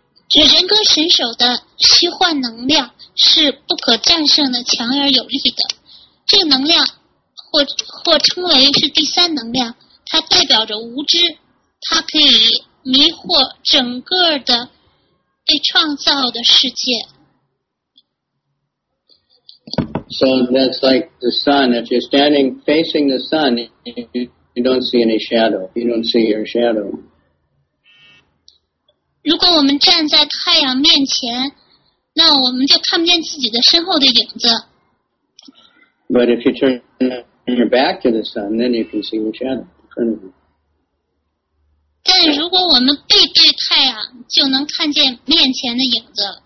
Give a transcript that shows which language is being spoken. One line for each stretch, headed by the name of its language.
Chinese: 人格神手的虚幻能量是不可战胜的，强而有力的。这个能量或称为是第三能量，它代表着无知，它可以迷惑整个的被创造的世界。
English: So that's like the sun. If you're standing facing the sun, you don't see any shadow. You don't see your shadow.
Chinese: 如果我们站在太阳面前，那我们就看不见自己的身后的影子。
English: But if you turn your back to the sun, then you can see your shadow in front of you.
Chinese: 但如果我们背对太阳，就能看见面前的影子。